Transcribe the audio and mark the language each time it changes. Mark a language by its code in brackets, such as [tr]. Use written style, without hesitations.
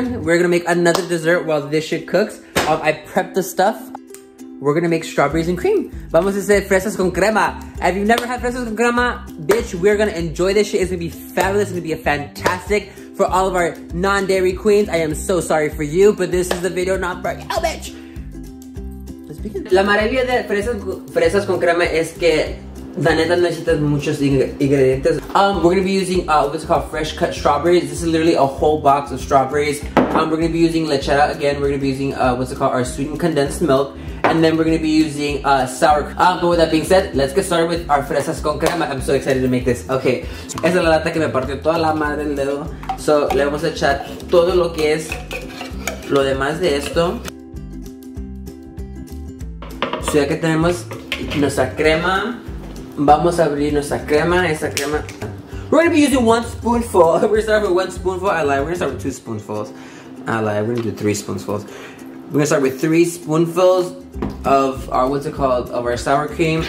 [en] We're gonna make another dessert while this shit cooks. I prepped the stuff. We're gonna make strawberries and cream. [es] Vamos a hacer fresas con crema. [en] If you've never had fresas con crema, bitch, we're gonna enjoy this shit. It's gonna be fabulous. It's gonna be a fantastic for all of our non-dairy queens. I am so sorry for you, but this is the video not for you, bitch. [es] La maravilla de fresas con crema es que la neta necesitas muchos ingredientes. [en] We're gonna be using what's it called, fresh cut strawberries. This is literally a whole box of strawberries. We're gonna be using lechera again. We're gonna be using what's it called, our sweetened condensed milk, and then we're gonna be using sour. But with that being said, let's get started with our fresas con crema. I'm so excited to make this. [es] Okay, esa es la lata que me partió toda la madre el dedo. So le vamos a echar todo lo que es lo demás de esto. So ya que tenemos nuestra crema, vamos a abrir nuestra crema. Esa crema, [en] we're gonna be using one spoonful. We're gonna start with one spoonful. I lied, we're gonna start with two spoonfuls. I lied, we're gonna do three spoonfuls. We're gonna start with three spoonfuls of our, what's it called, of our sour cream.